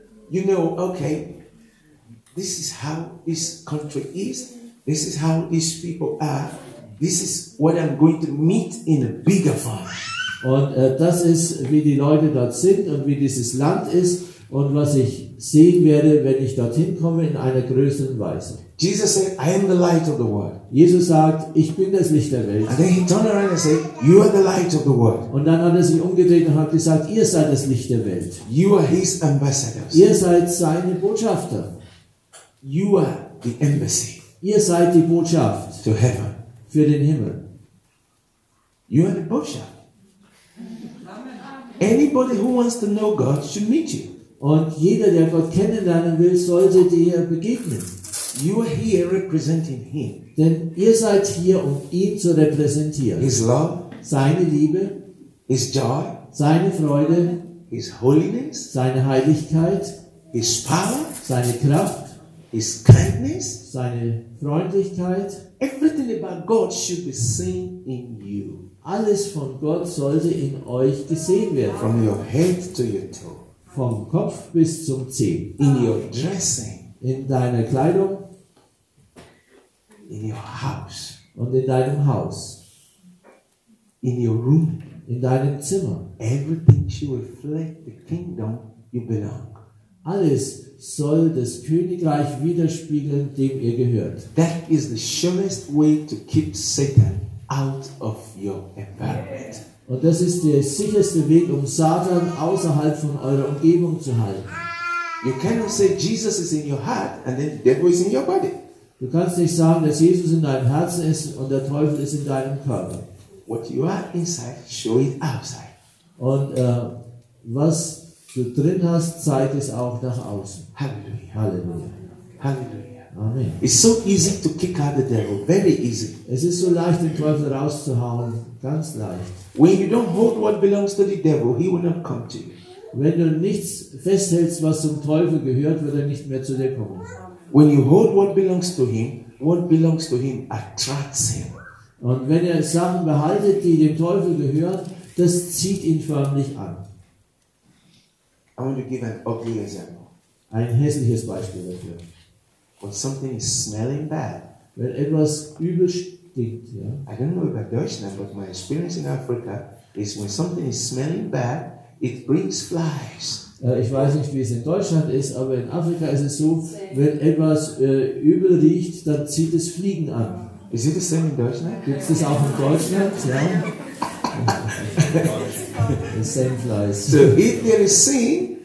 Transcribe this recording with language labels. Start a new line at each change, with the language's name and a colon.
English: You know, okay, this is how this country is. This is how these people are. This is what I'm going to meet in a bigger form.
German: Und das ist, wie die Leute dort sind und wie dieses Land ist und was ich sehen werde, wenn ich dorthin komme, in einer größeren Weise.
English: Jesus said, I am the light of the world.
German: Jesus sagt, ich bin das Licht der Welt.
English: And then he turned around and said, you are the light of the world.
German: Und dann hat er sich umgedreht und hat gesagt, ihr seid das Licht der Welt.
English: You are his ambassadors.
German: Ihr seid seine Botschafter.
English: You are the embassy.
German: Ihr seid die Botschaft
English: to heaven.
German: Für den Himmel.
English: You are the Botschafter. Anybody who wants to know God should meet you.
German: Und jeder, der Gott kennenlernen will, sollte dir begegnen.
English: You are here representing him.
German: Denn ihr seid hier, um ihn zu repräsentieren.
English: His love,
German: seine Liebe,
English: his joy,
German: seine Freude,
English: his holiness,
German: seine Heiligkeit,
English: his power,
German: seine Kraft,
English: his kindness,
German: seine Freundlichkeit.
English: Everything about God should be seen in you.
German: Alles von Gott sollte in euch gesehen werden.
English: From your head to your toe.
German: Vom Kopf bis zum Zeh.
English: In your dressing.
German: In deiner Kleidung.
English: In your house.
German: Und in deinem Haus.
English: In your room.
German: In deinem Zimmer.
English: Everything should reflect the kingdom you belong.
German: Alles soll das Königreich widerspiegeln, dem ihr gehört.
English: That is the surest way to keep Satan out of your environment.
German: Und das ist der sicherste Weg, um Satan außerhalb von eurer Umgebung zu halten.
English: You cannot say Jesus is in your heart and then the devil is in your body.
German: Du kannst nicht sagen, dass Jesus in deinem Herzen ist und der Teufel ist in deinem Körper.
English: What you are inside, show it outside.
German: Und was du drin hast, zeig es auch nach außen. Halleluja. Halleluja. Halleluja. Amen.
English: It's so easy to kick out the devil. Very easy.
German: Es ist so leicht, den Teufel rauszuhauen. Ganz leicht.
English: When you don't hold what belongs to the devil, he will not come to you.
German: Wenn du nichts festhältst, was zum Teufel gehört, wird er nicht mehr zu dir kommen.
English: When you hold what belongs to him attracts him.
German: Und wenn er Sachen behaltet, die dem Teufel gehören, das zieht ihn förmlich an.
English: I want to give an ugly example.
German: Ein hässliches Beispiel dafür.
English: When something is smelling bad.
German: Wenn etwas übel stinkt, ja.
English: I don't know about Deutschland, but my experience in Africa is when something is smelling bad, it brings flies.
German: Ich weiß nicht, wie es in Deutschland ist, aber in Afrika ist es so, wenn etwas übel riecht, dann zieht es Fliegen an.
English: Is it the same in Deutschland?
German: Gibt's das auch in Deutschland? Ja.
English: The same flies. So if there is sin,